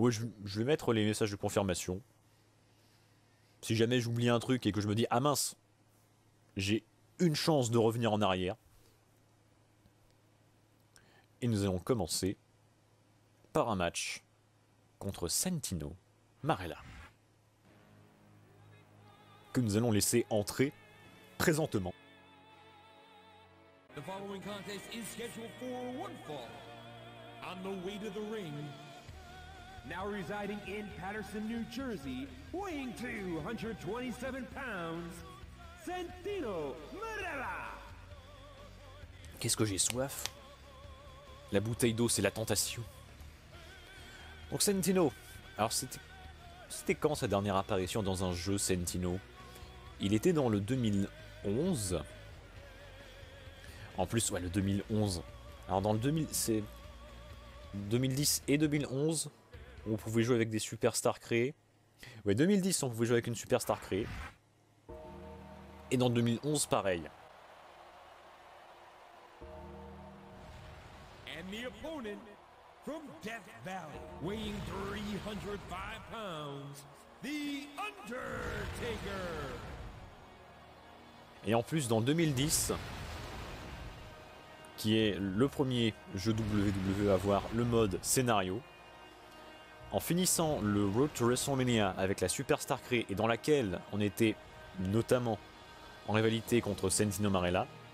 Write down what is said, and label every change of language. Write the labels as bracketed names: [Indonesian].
[French] Ouais, je vais mettre les messages de confirmation. Si jamais j'oublie un truc et que je me dis « Ah mince, j'ai une chance de revenir en arrière. » Et nous allons commencer par un match contre Santino Marella, que nous allons laisser entrer présentement. [English] The following contest is scheduled for one fall. On the way to the ring, now residing in Paterson, New Jersey, weighing 227 pounds, Santino Marella. [French] Qu'est-ce que j'ai soif? La bouteille d'eau, c'est la tentation. Donc Santino, alors c'était quand sa dernière apparition dans un jeu Santino? Il était dans le 2011. En plus, ouais, le 2011. Alors dans le 2000, c'est 2010 et 2011, on pouvait jouer avec des superstars créés. Ouais, 2010, on pouvait jouer avec une superstar créée. Et dans 2011, pareil. [English] The opponent from Death Valley, weighing 305 pounds, The Undertaker. [French] Et en plus, dans 2010, qui est le premier jeu WWE à avoir le mode scénario, en finissant le Road to WrestleMania avec la superstar créée et dans laquelle on était notamment en rivalité contre Santino Marella,